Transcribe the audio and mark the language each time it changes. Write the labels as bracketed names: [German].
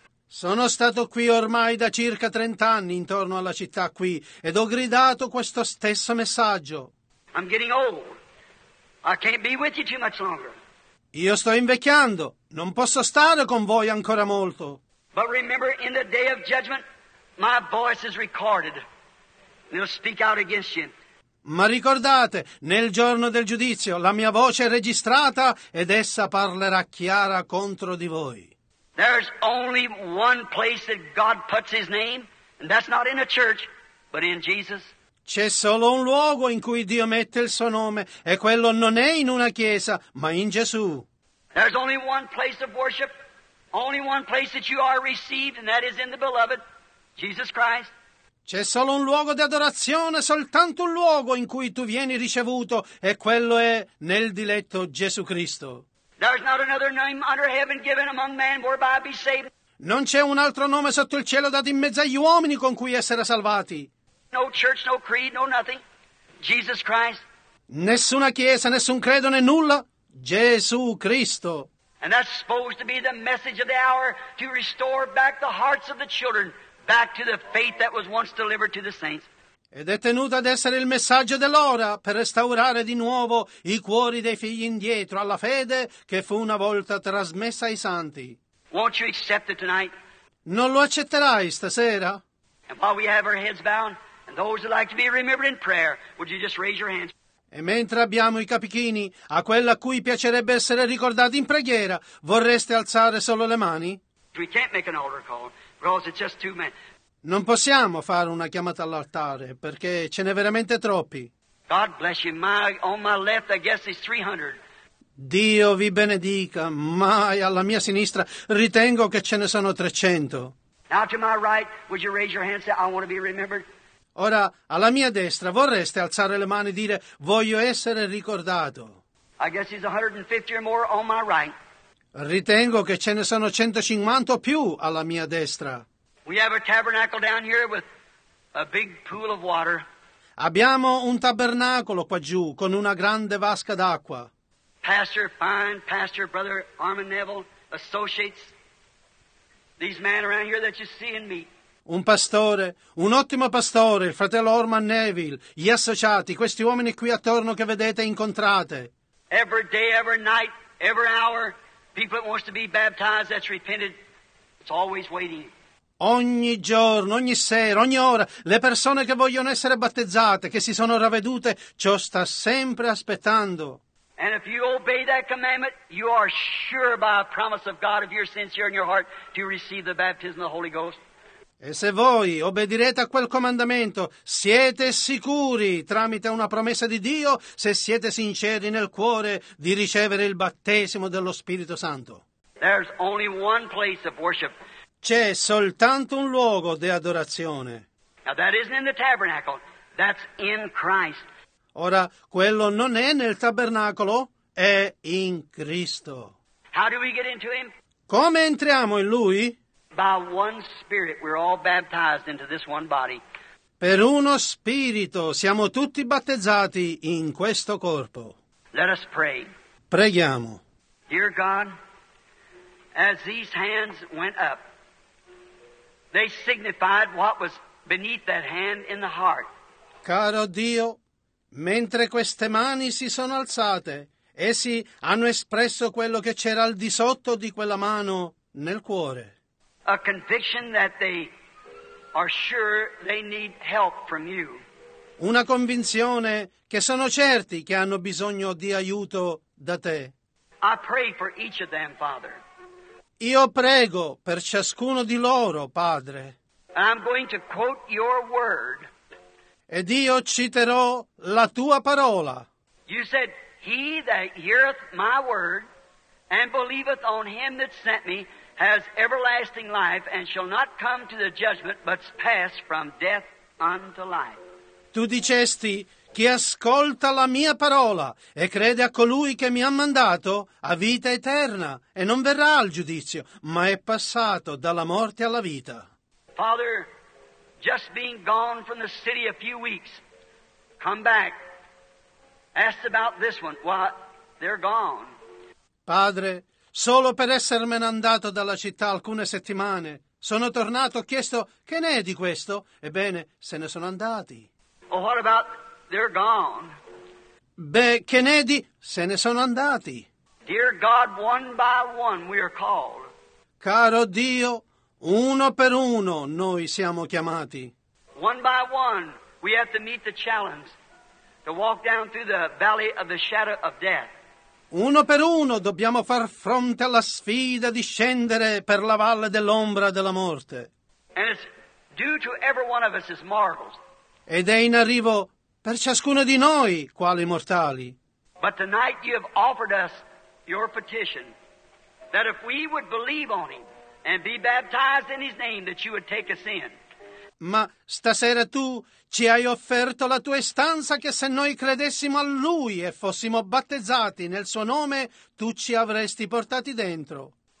[Italian] Sono stato qui ormai da circa 30 anni intorno alla città qui ed ho gridato questo stesso messaggio. [English] I'm getting old. I can't be with you too much longer. [Italian] Io sto invecchiando, non posso stare con voi ancora molto. [English] But remember, in the day of judgment, my voice is recorded. It'll speak out against you. [Italian] Ma ricordate, nel giorno del giudizio, la mia voce è registrata ed essa parlerà chiara contro di voi. [English] There's only one place that God puts His name, and that's not in a church, but in Jesus. [Italian] C'è solo un luogo in cui Dio mette il suo nome, e quello non è in una chiesa, ma in Gesù. [English] There's only one place of worship. Only one place that you are received, and that is in the Beloved, Jesus Christ. [Italian] C'è solo un luogo di adorazione, soltanto un luogo in cui tu vieni ricevuto, e quello è nel diletto Gesù Cristo. [English] There's not another name under heaven given among man whereby be saved. [Italian] Non c'è un altro nome sotto il cielo dato in mezzo agli uomini con cui essere salvati. [English] No church, no creed, no nothing. Jesus Christ. [Italian] Nessuna chiesa, nessun credo, né nulla. Gesù Cristo. [English] And that's supposed to be the message of the hour, to restore back the hearts of the children, back to the faith that was once delivered to the saints. [Italian] Ed è tenuto ad essere il messaggio dell'ora per restaurare di nuovo i cuori dei figli indietro alla fede che fu una volta trasmessa ai santi. [English] Won't you accept it tonight? [Italian] Non lo accetterai stasera? [English] And while we have our heads bound, and those would like to be remembered in prayer, would you just raise your hands? [Italian] E mentre abbiamo i capichini, a quella a cui piacerebbe essere ricordati in preghiera, vorreste alzare solo le mani? [English] We can't make an altar call because it's just too many. [Italian] Non possiamo fare una chiamata all'altare perché ce n'è veramente troppi. [English] God bless you. On my left, I guess it's 300. [Italian] Dio vi benedica, ma alla mia sinistra ritengo che ce ne sono 300. [English] Now to my right, would you raise your hand and say, I want to be remembered? [Italian] Ora, alla mia destra, vorreste alzare le mani e dire, voglio essere ricordato? [English] I guess he's 150 or more on my right. [Italian] Ritengo che ce ne sono 150 o più alla mia destra. [English] We have a tabernacle down here with a big pool of water. [Italian] Abbiamo un tabernacolo qua giù con una grande vasca d'acqua. [English] Pastor Fine, Pastor Brother Armand Neville associates these men around here that you see and meet. [Italian] Un pastore, un ottimo pastore, il fratello Armand Neville, gli associati, questi uomini qui attorno che vedete e incontrate. [English] Every day, every night, every hour, people that wants to be baptized, that's repented, it's always waiting. [Italian] Ogni giorno, ogni sera, ogni ora, le persone che vogliono essere battezzate, che si sono ravvedute, ciò sta sempre aspettando. [English] And if you obey that commandment, you are sure by a promise of God, if you're sincere in your heart, to receive the baptism of the Holy Ghost. [Italian] E se voi obbedirete a quel comandamento, siete sicuri, tramite una promessa di Dio, se siete sinceri nel cuore, di ricevere il battesimo dello Spirito Santo. [English] There's only one place of worship. [Italian] C'è soltanto un luogo di adorazione. [English] Now that isn't in the tabernacle, that's in Christ. [Italian] Ora, quello non è nel tabernacolo, è in Cristo. [English] How do we get into him? [Italian] Come entriamo in Lui? [English] By one spirit we're all baptized into this one body. [Italian] Per uno spirito siamo tutti battezzati in questo corpo. [English] Let us pray. [Italian] Preghiamo. [English] Dear God, as these hands went up, they signified what was beneath that hand in the heart. [Italian] Caro Dio, mentre queste mani si sono alzate, essi hanno espresso quello che c'era al di sotto di quella mano nel cuore. [English] A conviction that they are sure they need help from you. [Italian] Una convinzione che sono certi che hanno bisogno di aiuto da te. [English] I pray for each of them, Father. [Italian] Io prego per ciascuno di loro, Padre. [English] And I'm going to quote your word. [Italian] Ed io citerò la tua parola. [English] You said, he that heareth my word and believeth on him that sent me has everlasting life and shall not come to the judgment but pass from death unto life. [Italian] Tu dicesti, chi ascolta la mia parola e crede a colui che mi ha mandato ha vita eterna e non verrà al giudizio, ma è passato dalla morte alla vita. [English] Father, just being gone from the city a few weeks, come back. Ask about this one. Why, they're gone. [Italian] Padre, solo per essermene andato dalla città alcune settimane, sono tornato, ho chiesto, che ne è di questo? Ebbene, se ne sono andati. [English] Oh, what about, they're gone. [Italian] Beh, che ne è di, se ne sono andati. [English] Dear God, one by one we are called. [Italian] Caro Dio, uno per uno noi siamo chiamati. [English] One by one we have to meet the challenge to walk down through the valley of the shadow of death. [Italian] Uno per uno dobbiamo far fronte alla sfida di scendere per la valle dell'ombra della morte. [English] And it's due to every one of us as mortals. [Italian] Ed è in arrivo per ciascuno di noi, quali mortali. [English] But tonight you have offered us your petition, that if we would believe on him and be baptized in his name, that you would take us in. [Italian] Ma stasera tu ci hai offerto la tua istanza che se noi credessimo a Lui e fossimo battezzati nel Suo nome, tu ci avresti portati dentro.